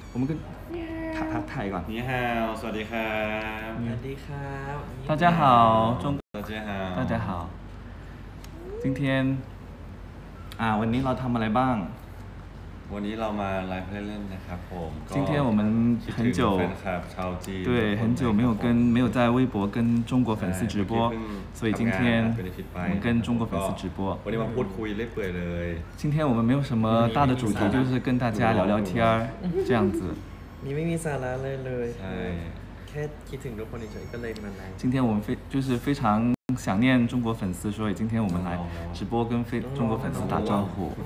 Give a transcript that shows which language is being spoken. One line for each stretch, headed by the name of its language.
Thai: ก็ทักไทยก่อน นี่ฮาวสวัสดีครับ สวัสดีครับ ท่านเจ้าฮาวจง ท่านเจ้าฮาว ท่านเจ้าฮาวจิงเทียนวันนี้เราทำอะไรบ้าง วันนี้เรามาไลฟ์เล่นๆนะครับผม
Chinese: จิงเทียน我们很久对很久没有在微博跟中国粉丝直播所以今天我们跟中国粉丝直播
Thai: วันนี้มาพูดคุยเล่นเปื่อยเลย
Chinese: 今天我们没有什么大的主题就是跟大家聊聊天这样子你没没啥啦
Thai: เลยเลยแค่คิดถึงทุกคนเฉยก็เลยมาไลฟ์
Chinese: 今天我们非常想念中国粉丝所以今天我们来直播跟中国粉丝打招呼